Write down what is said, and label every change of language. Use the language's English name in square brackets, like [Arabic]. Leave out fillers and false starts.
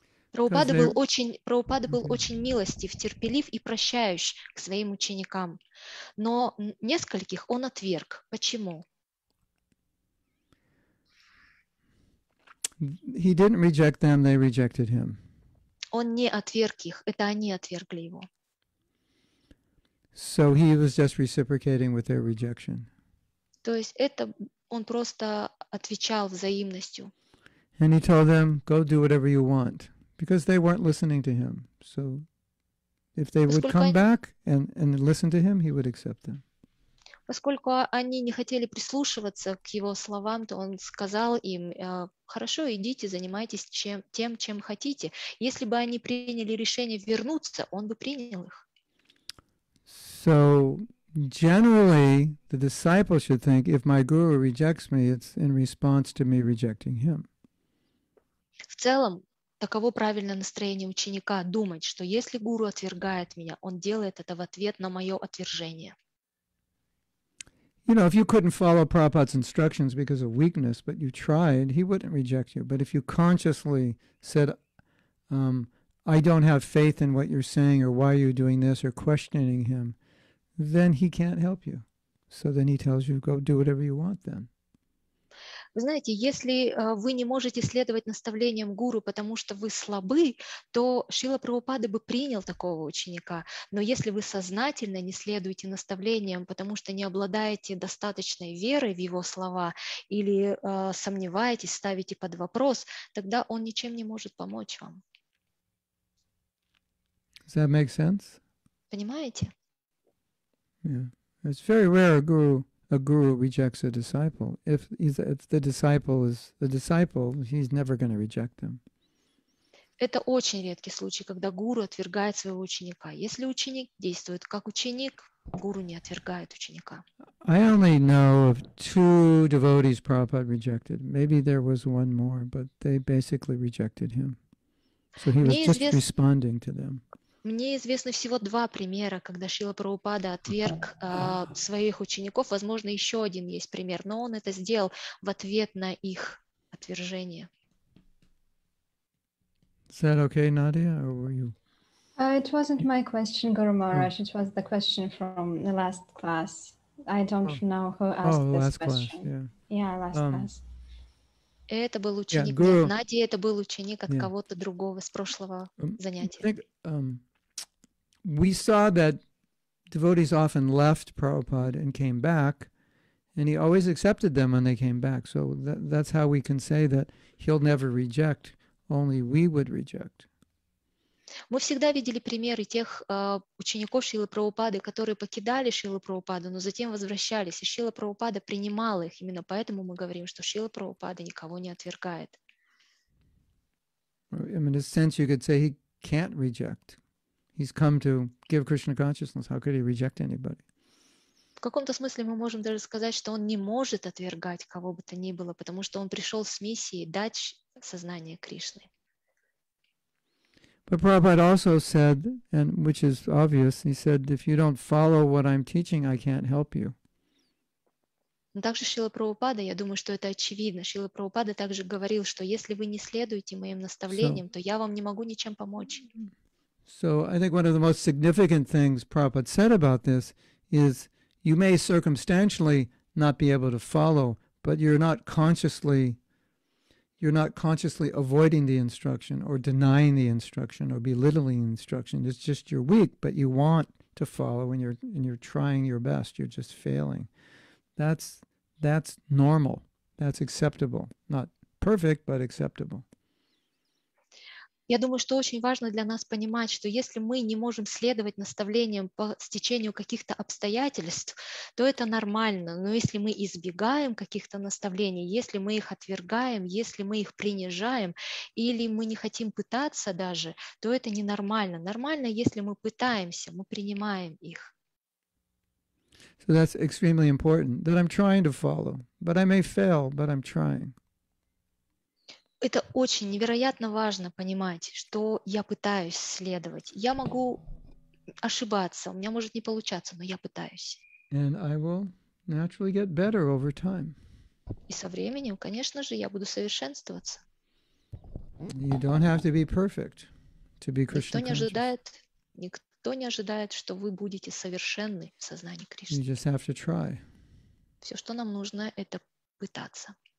[Russian] Прабхупада был очень милостив, терпелив и прощающий к своим ученикам. Но нескольких он отверг. Почему? [English] He didn't reject them, they rejected him. [Russian] Он не отверг их, это они отвергли его. [English] So he was just reciprocating with their rejection. [Russian] То есть это он просто отвечал взаимностью. [English] And he told them, go do whatever you want. Because they weren't listening to him. So if they would come back and listen to him, he would accept them. [Russian] Поскольку они не хотели прислушиваться к его словам, то он сказал им, хорошо, идите, занимайтесь тем, чем хотите. Если бы они приняли решение вернуться, он бы принял их. [English] So, generally, the disciple should think, if my guru rejects me, it's in response to me rejecting him. [Russian] В целом, таково правильное настроение ученика думать, что если гуру отвергает меня, он делает это в ответ на мое отвержение. [English] You know, if you couldn't follow Prabhupada's instructions because of weakness, but you tried, he wouldn't reject you. But if you consciously said, I don't have faith in what you're saying, or why are you doing this, or questioning him, then he can't help you. So then he tells you, go do whatever you want then. [Russian] Вы знаете, если вы не можете следовать наставлениям гуру, потому что вы слабы, то Шрила Прабхупада бы принял такого ученика. Но если вы сознательно не следуете наставлениям, потому что не обладаете достаточной верой в его слова или сомневаетесь, ставите под вопрос, тогда он ничем не может помочь вам. [English] Does that make sense? [Russian] Понимаете? [English] Yeah. It's very rare a guru rejects a disciple. If the disciple is a disciple, he's never going to reject them. [Russian] Это очень редкий случай, когда гуру отвергает своего ученика. Если ученик действует как ученик, гуру не отвергает ученика. [English] I only know of two devotees Prabhupada rejected. Maybe there was one more, but they basically rejected him. So he was just responding to them. [Russian] Мне известны всего два примера, когда Шрила Прабхупада отверг своих учеников. Возможно, еще один есть пример, но он это сделал в ответ на их отвержение. [English] Is that okay, Nadia, or were you? It wasn't my question, Guru Maharaj. It was the question from the last class. I don't know who asked this question. Oh, last class, yeah. Yeah, last class. [Russian] Это был ученик Guru, Нади, это был ученик от кого-то другого с прошлого занятия. [English] We saw that devotees often left Prabhupada and came back, and he always accepted them when they came back. So that's how we can say that he'll never reject, only we would reject. [Russian] Мы всегда видели примеры тех учеников Шрилы Прабхупады, которые покидали Шрилу Прабхупаду, но затем возвращались, и Шрила Прабхупада принимал их. Именно поэтому мы говорим, что Шрила Прабхупада никого не отвергает. [English] I mean, in a sense, you could say he can't reject. He's come to give Krishna consciousness. How could he reject anybody? [Russian] В каком-то смысле мы можем даже сказать, что он не может отвергать кого бы то ни было, потому что он пришел с миссией дать сознание Кришны. [English] But Prabhupada also said, and which is obvious, he said, if you don't follow what I'm teaching, I can't help you. [Russian] Но также Шрила Прабхупада, я думаю, что это очевидно. Шрила Прабхупада также говорил, что если вы не следуете моим наставлениям, то я вам не могу ничем помочь. [English] So I think one of the most significant things Prabhupada said about this is you may circumstantially not be able to follow, but you're not consciously avoiding the instruction or denying the instruction or belittling the instruction. It's just you're weak, but you want to follow and you're trying your best. You're just failing. That's normal. That's acceptable. Not perfect, but acceptable. [Russian] Я думаю, что очень важно для нас понимать, что если мы не можем следовать наставлениям по стечению каких-то обстоятельств, то это нормально. Но если мы избегаем каких-то наставлений, если мы их отвергаем, если мы их принижаем, или мы не хотим пытаться даже, то это ненормально. Нормально, если мы пытаемся, мы принимаем их. [English] So that's extremely important, that I'm trying to follow. But I may fail, but I'm trying. [Russian] Это очень невероятно важно понимать, что я пытаюсь следовать. Я могу ошибаться, у меня может не получаться, но я пытаюсь. [English] And I will naturally get better over time. [Russian] И со временем, конечно же, я буду совершенствоваться. [English] You don't have to be perfect to be Krishna conscious. [Russian] Никто не ожидает, что вы будете совершенны в сознании Кришны. [English] You just have to try. [Russian] Все, что нам нужно, это пытаться.